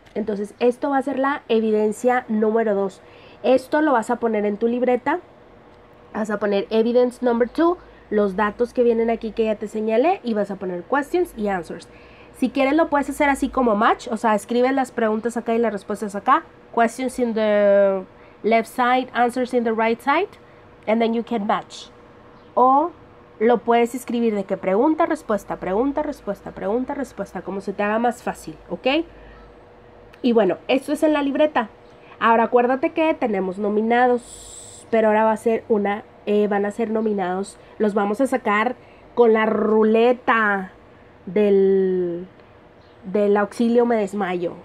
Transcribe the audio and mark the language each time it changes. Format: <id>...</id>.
<es>Entonces, esto va a ser la evidencia número 2. Esto lo vas a poner en tu libreta. Vas a poner</es> <en>evidence number 2,</en> <es>los datos que vienen aquí que ya te señalé, y vas a poner questions y answers. Si quieres, lo puedes hacer así como match, o sea, escribes las preguntas acá y las respuestas acá.</es> <en>Questions in the left side, answers in the right side, and then you can match.</en> <es>O lo puedes escribir de que pregunta, respuesta, pregunta, respuesta, pregunta, respuesta, como se te haga más fácil, ¿ok? Y bueno, esto es en la libreta. Ahora acuérdate que tenemos nominados, pero ahora va a ser una, van a ser nominados, los vamos a sacar con la ruleta del auxilio me desmayo.</es>